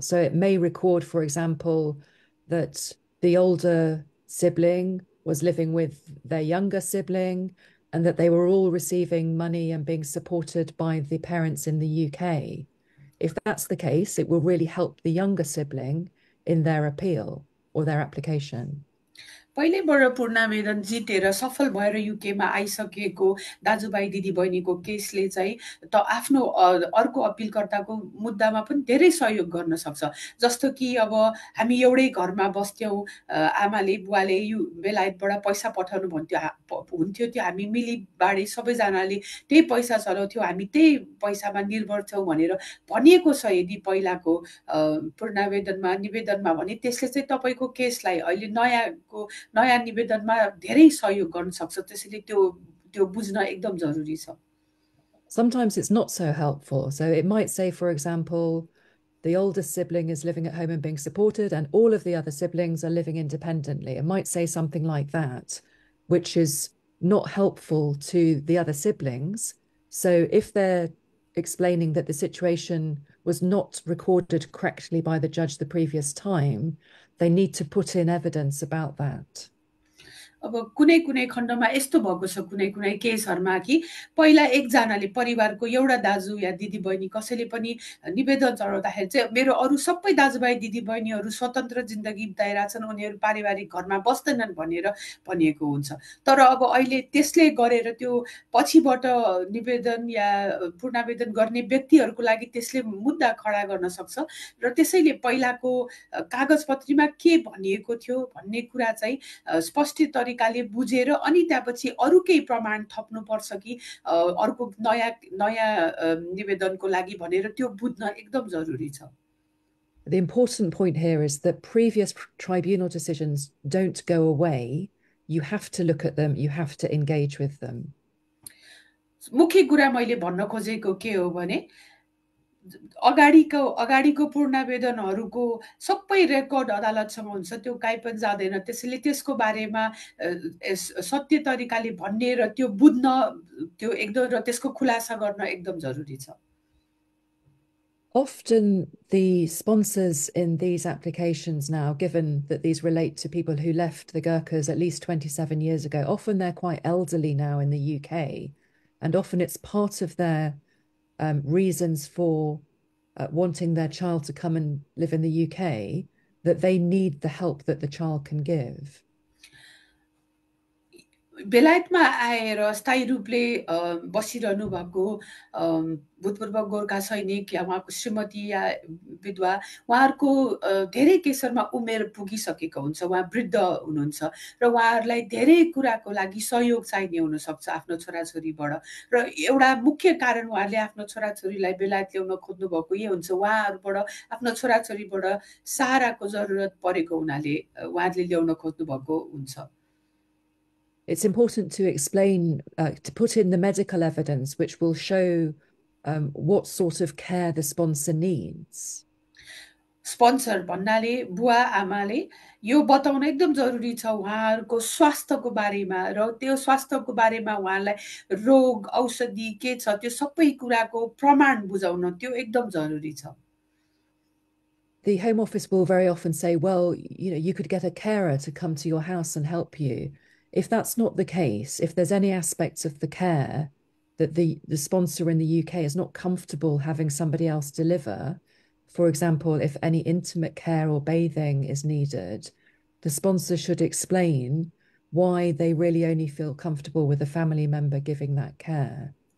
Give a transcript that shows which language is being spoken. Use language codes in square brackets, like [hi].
[en] So it may record, for example, that the older sibling was living with their younger sibling and that they were all receiving money and being supported by the parents in the UK. If that's the case, it will really help the younger sibling in their appeal or their application. [ne] पहिल्यैबाट पूर्णावेदन जितेर सफल भएर युकेमा आइसकेको दाजुभाइ दिदीबहिनीको केसले चाहिँ त आफ्नो अर्को अपिलकर्ताको मुद्दामा पनि धेरै सहयोग गर्न सक्छ। जस्तो कि अब हामी एउटै घरमा बस्थ्यौँ, आमाले बुवाले यु बेलायतबाट पैसा पठाउनु भन्थ्यो हुन्थ्यो, त्यो हामी मिलीबाडे सबैजनाले त्यही पैसा चलाउँथ्यौँ, हामी त्यही पैसामा निर्भर छौँ भनेर भनिएको छ यदि पहिलाको पूर्णावेदनमा निवेदनमा भने त्यसले चाहिँ तपाईँको केसलाई अहिले नयाँको नयाँ निवेदनमा धेरै सहयोग गर्न सक्छ, त्यसैले त्यो त्यो बुझ्न एकदम जरुरी छ। [en] Sometimes it's not so helpful. So it might say, for example, the oldest sibling is living at home and being supported, and all of the other siblings are living independently. It might say something like that, which is not helpful to the other siblings. So if they're explaining that the situation was not recorded correctly by the judge the previous time, they need to put in evidence about that. [ne] अब कुनै कुनै खण्डमा यस्तो भएको छ कुनै कुनै केसहरूमा कि पहिला एकजनाले परिवारको एउटा दाजु या दिदी बहिनी कसैले पनि निवेदन चढाउँदाखेरि चाहिँ मेरो अरू सबै दाजुभाइ दिदी बहिनीहरू स्वतन्त्र जिन्दगी बिताइरहेछन् उनीहरू पारिवारिक घरमा बस्दैनन् भनेर भनिएको हुन्छ। तर अब अहिले त्यसले गरेर त्यो पछिबाट निवेदन या पुनरावेदन गर्ने व्यक्तिहरूको लागि त्यसले मुद्दा खडा गर्न सक्छ र त्यसैले पहिलाको कागजपत्रीमा के भनिएको थियो भन्ने कुरा चाहिँ स्पष्ट तरिकाले बुझेर अनि त्यहाँपछि अरू केही प्रमाण थप्नुपर्छ कि अर्को नयाँ नयाँ निवेदनको लागि भनेर त्यो बुझ्न एकदम जरुरी छ। [en] The important point here is that previous tribunal decisions don't go away. You have to look at them, you have to engage with them. [ne] मुख्य कुरा मैले भन्न खोजेको के हो भने अगाडिको पूर्णावेदनहरूको सबै रेकर्ड अदालतसँग हुन्छ, त्यो काहीँ पनि जाँदैन, त्यसैले त्यसको बारेमा सत्य तरिकाले भन्ने र त्यो बुझ्न त्यो एकदम र त्यसको खुलासा गर्न एकदम जरुरी छ। [en] Often the sponsors in these applications now, given that these relate to people who left the Gurkhas at least 27 years ago, often they're quite elderly now in the UK, and often it's part of their reasons for wanting their child to come and live in the UK that they need the help that the child can give. [ne] बेलायतमा आएर स्थायी रूपले बसिरहनु भएको भूतपूर्व गोर्खा सैनिक या उहाँको श्रीमती या विधवा उहाँहरूको धेरै केसहरूमा उमेर पुगिसकेको हुन्छ, उहाँ वृद्ध हुनुहुन्छ र उहाँहरूलाई धेरै कुराको लागि सहयोग चाहिने हुनसक्छ आफ्नो छोराछोरीबाट। र एउटा मुख्य कारण उहाँहरूले आफ्नो छोराछोरीलाई बेलायत ल्याउन खोज्नुभएको यही हुन्छ, उहाँहरूबाट आफ्नो छोराछोरीबाट सहाराको जरुरत परेको हुनाले उहाँहरूले ल्याउन खोज्नुभएको हुन्छ। [en] It's important to explain, to put in the medical evidence, which will show what sort of care the sponsor needs. [ne] Sponsor भन्नाले बुवा आमाले यो बताउन एकदम जरुरी छ उहाँहरूको स्वास्थ्यको बारेमा र त्यो स्वास्थ्यको बारेमा उहाँलाई रोग औषधि के छ त्यो सबै कुराको प्रमाण बुझाउन त्यो एकदम जरुरी छ। [en] The Home Office will very often say, well, you know, you could get a carer to come to your house and help you. If that's not the case, if there's any aspects of the care that the sponsor in the UK is not comfortable having somebody else deliver, for example, if any intimate care or bathing is needed, the sponsor should explain why they really only feel comfortable with a family member giving that care.